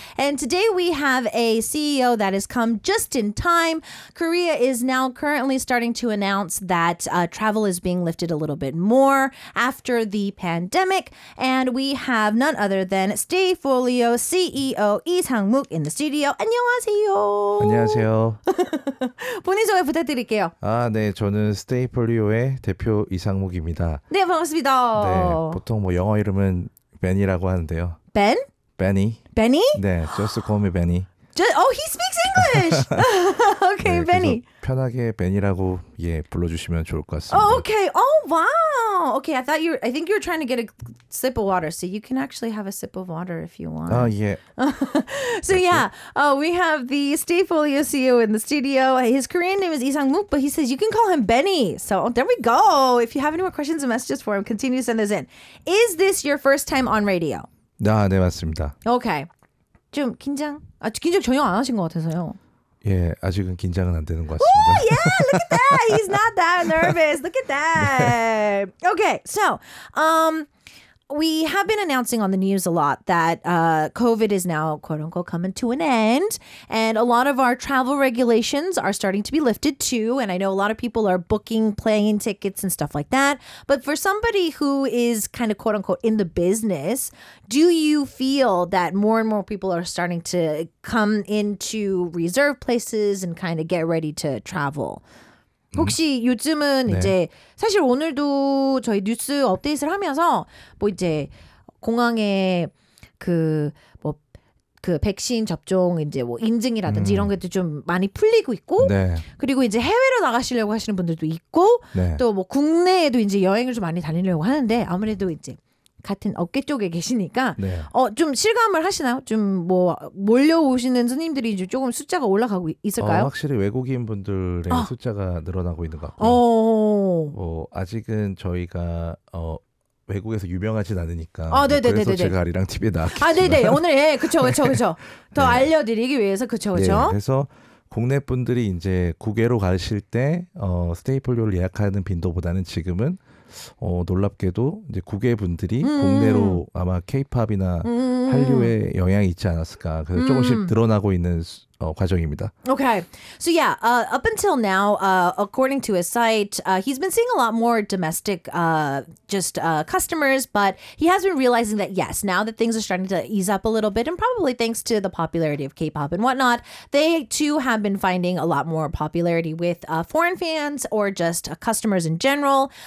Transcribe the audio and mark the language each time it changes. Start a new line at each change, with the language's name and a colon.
English: And today we have a CEO that has come just in time. Korea is now currently starting to announce that travel is being lifted a little bit more after the pandemic. And we have none other than Stayfolio CEO Lee Sang-mook in the studio.
Korean: 안녕하세요. 안녕하세요. 본인 소개 부탁드릴게요. 아, 네. 저는 스테이폴리오의 대표 이상목입니다. 네, 반갑습니다. 네, 보통 뭐 영어 이름은 벤이라고 하는데요. 벤? 베니. 베니?
English: 네, just call me Benny. Oh, he speaks English! Okay, 네, Benny.
Korean: 편하게 벤이라고 예, 불러주시면 좋을 것 같습니다.
English: Oh, okay. Oh, wow. Okay, I thought you were, I think you were trying to get a sip of water, so you can actually have a sip of water if you want. Oh, yeah. So, we have the Stayfolio CEO in the studio. His Korean name is Lee Sang-mook, but he says you can call him Benny. So, there we go. If you have any more questions and messages for him, continue to send those in. Is this your first time on radio?
Korean: 아, 네, 맞습니다. Okay. 좀 긴장? 아, 긴장 전혀 안 하신 것 같아서요. 예, 아직은 긴장은 안 되는 것 같습니다.
English: Oh, yeah! Look at that! He's not that nervous. Look at that! Okay, so, we have been announcing on the news a lot that COVID is now, quote-unquote, coming to an end. And a lot of our travel regulations are starting to be lifted, too. And I know a lot of people are booking plane tickets and stuff like that. But for somebody who is kind of, quote-unquote, in the business, do you feel that more and more people are starting to come into reserve places and kind of get ready to travel?
Korean: 혹시 요즘은 네. 이제 사실 오늘도 저희 뉴스 업데이트를 하면서 뭐 이제 공항에 그 뭐 그 백신 접종 이제 뭐 인증이라든지 이런 것도 좀 많이 풀리고 있고 네. 그리고 이제 해외로 나가시려고 하시는 분들도 있고 네. 또 뭐 국내에도 이제 여행을 좀 많이 다니려고 하는데 아무래도 이제 같은 업계 쪽에 계시니까 네. 어, 좀 실감을 하시나요? 좀 뭐 몰려오시는 손님들이 이제 조금 숫자가 올라가고 있을까요? 어, 확실히 외국인 분들의 숫자가 늘어나고 있는 것 같고요. 뭐 아직은 저희가 외국에서 유명하진 않으니까 그래서 제가 아리랑 TV에 나왔겠지만 아, 네네. 오늘 예, 그쵸. 더 네. 알려드리기 위해서 그쵸. 네, 그래서 국내 분들이 이제 국외로 가실 때 스테이폴리오를 예약하는 빈도보다는 지금은 놀랍게도 이제 국외 분들이 국내로 아마 K-POP이나 한류에 영향이 있지 않았을까 그래서 조금씩 늘어나고 있는 과정입니다.
English: Okay. So yeah, up until now, according to his site, he's been seeing a lot more domestic customers, but he has been realizing that yes, now that things are starting to ease up a little bit, and probably thanks to the popularity of K-pop and whatnot, they too have been finding a lot more popularity with foreign fans or just customers in general.